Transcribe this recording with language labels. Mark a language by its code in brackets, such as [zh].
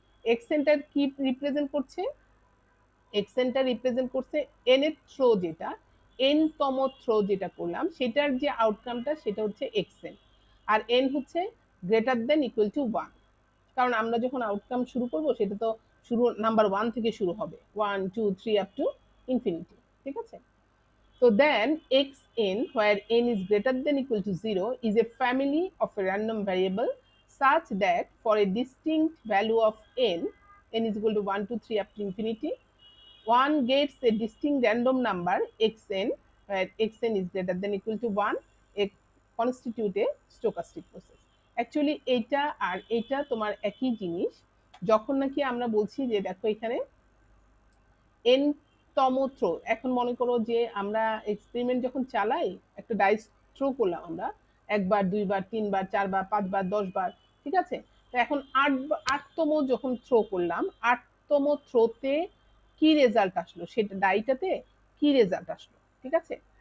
[bn] X এনটার কি represent করছে, এক্সেনটা represent করছে এনএথ থ্রো, যেটা এনতম থ্রো যেটা করলাম সেটার যে আউটকামটা সেটা হচ্ছে এক্সেন, আর এন হচ্ছে [en] greater than equal to one, [bn] কারণ আমরা যখন আউটকাম শুরু করবো সেটা তো শুরু নাম্বার ওয়ান থেকে শুরু হবে, 1, 2, 3 [en] up to infinity, [bn] ঠিক আছে? [en] তো then x n where n is greater than equal to zero is a family of a random variable such that for a distinct value of n, n is equal to 1, 2, 3 up to infinity, one gets a distinct random number xn, where xn is greater than or equal to 1, it constitutes a stochastic process. [bn] Actually, eta and eta tomar ekhi jinish. যখন নাকি আমরা বলছি যে দেখো এখানে n তম throw, এখন মনে করো যে আমরা এক্সপেরিমেন্ট যখন চালাই একটা ডাইস থ্রো করলাম আমরা একবার দুইবার তিনবার চারবার পাঁচবার দশবার, ঠিক আছে? তো এখন আটতম যখন থ্রো করলাম, আটতম থ্রোতে কি রেজাল্ট আসলো, সেটা ডাইটাতে কি রেজাল্ট আসলো, ঠিক আছে?